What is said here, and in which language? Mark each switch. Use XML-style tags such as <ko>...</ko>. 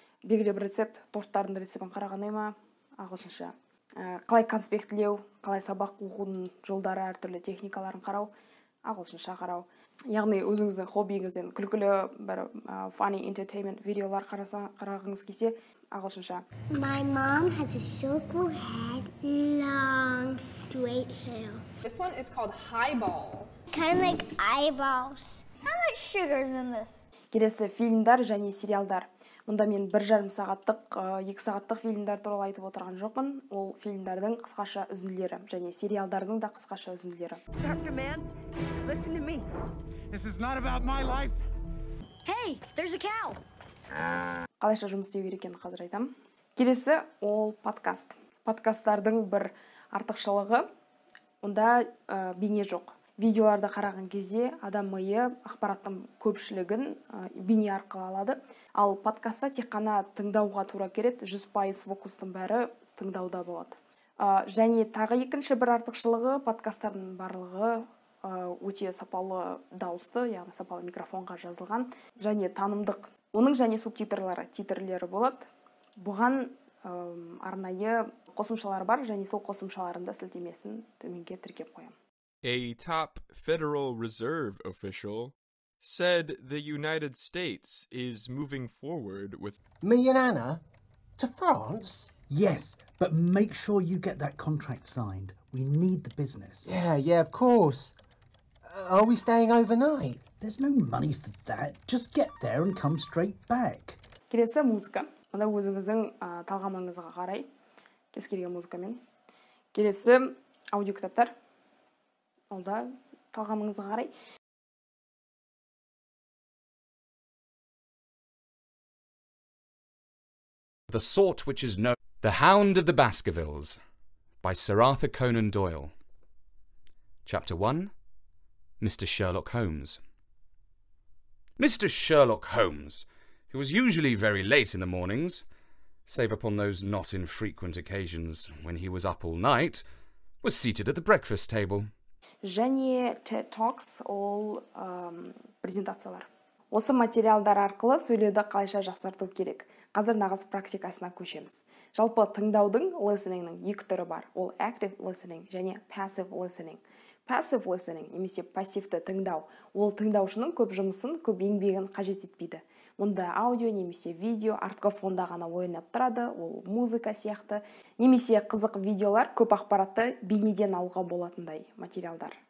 <kk>Белгілі бір рецепт, торттардың рецептін қарағаны ма, ағылшынша. Қалай конспектілеу, қалай сабақ оқудың жолдары, әртүрлі техникаларын қарау, ағылшынша қарау. Яғни өзіңіздің хоббиіңізден күлкілі бір</kk> <en>funny entertainment</en> <kk>видеолар қарағыңыз келсе, ағылшынша.</kk> <en>My mom has a circle head, long straight hair. This one is called highball. Kind of like eyeballs. How much sugar is in this?</en> <kk>Келесі фильмдар және сериалдар. Мұнда мен 1,5 сағаттық, 2 сағаттық фильмдар туралы айтып отырған жоқпын. Ол фильмдардың қысқаша үзінділері және сериалдардың да қысқаша үзінділері.</kk> <en>Dr. Man, listen to me. This is not about my life. Hey, there's a cow.</en> <kk>Қалайша жұмыс істеу керек екенін қазір айтам. Келесі ол подкаст. Подкасттардың бір артықшылығы, онда бейне жоқ. Видеоларды қараған кезде адам миы ақпараттың көпшілігін бейне арқылы алады. Ал подкастта тек қана тыңдауға тура келеді, 100% фокустың бәрі тыңдауда болады. Және тағы екінші бір артықшылығы, подкасттардың барлығы өте сапалы дауысты, яғни сапалы микрофонға жазылған, және танымдық. Оның және субтитрлары, титрлері болады. Бұған арнайы қосымшалар бар, және сол қосымшаларында сілтемесін төменге тіркеп қоямын.</kk> <en>A top Federal Reserve official said the United States is moving forward with... Me and Anna? To France? Yes, but make sure you get that contract signed. We need the business. Yeah, of course. Are we staying overnight? There's no money for that. Just get there and come straight back.</en> <kk>Келесі музыка. Онда өзіңіздің талғамыңызға қарай. Кез келген музыкамен. Келесі аудиокітаптар. Онда талғамыңызға қарай.</kk> <en>The Sort Which Is Known. The Hound of the Baskervilles by Sir Arthur Conan Doyle. Chapter 1. Mr. Sherlock Holmes. Mr. Sherlock Holmes, who was usually very late in the mornings, save upon those not infrequent occasions when he was up all night, was seated at the breakfast table.</en> <kk>Және TED Talks ол презентациялар. Осы материалдар арқылы сөйлеуді қалайша жақсарту керек. Қазір нағыз практикасына көшеміз. Жалпы тыңдаудың, listening-нің екі түрі бар.</kk> <en>Ол active listening және passive listening. Passive listening,</en> <kk>немесе пассивті тыңдау, ол тыңдаушының көп жұмысын, көп еңбегін қажет етпейді. Мұнда аудио, немесе видео, артқы фонда ғана ойнап тұрады, ол музыка сияқты. Немесе қызық видеолар көп ақпаратты бейнеден алға болатындай материалдар.</kk>